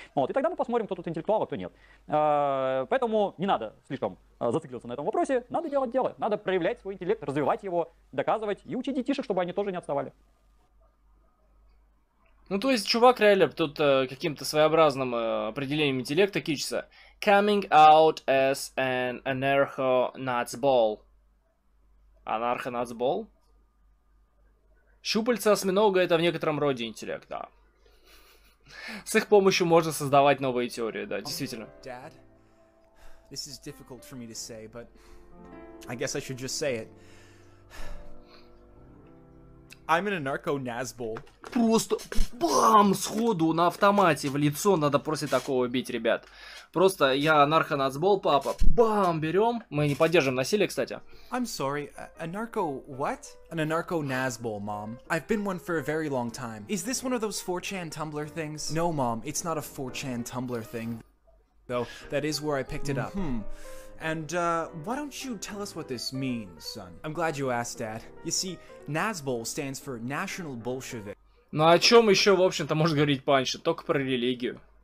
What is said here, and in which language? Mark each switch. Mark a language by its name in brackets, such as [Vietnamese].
[Russian] Вот, и тогда мы посмотрим, кто тут интеллектуал, а кто нет. Поэтому не надо слишком зацикливаться на этом вопросе. Надо делать дело, надо проявлять свой интеллект, развивать его, доказывать и учить детишек, чтобы они тоже не отставали. Ну, то есть, чувак реально тут каким-то своеобразным определением интеллекта кичится. [English] Coming out as an anarcho-nutsball. [Russian] Анархо-нутсбол? Щупальца осьминога — это в некотором роде интеллект, да. С их помощью можно создавать новые теории, да, действительно. [English] Dad, this is difficult for me to say, but I guess I should just say it. I'm an anarcho-nutsball. [Russian] Просто бам! Сходу на автомате в лицо надо просто такого бить, ребят. Просто я анархо-нутсбол, папа. Бам! Берем. Мы не поддерживаем насилие, кстати. [English] I'm sorry. Anarcho what? An anarcho-nutsbull, mom. I've been one for a very long time. Is this one of those 4chan Tumblr things? No, mom. It's not a 4chan Tumblr thing. Though, that is where I picked it up. Mm-hmm. And, why don't you tell us what this means, son? I'm glad you asked, Dad. You see, Nazbol stands for National Bolshevik. [Russian] Ну о чем еще, в общем-то, можешь говорить, Панчин? Только про религию.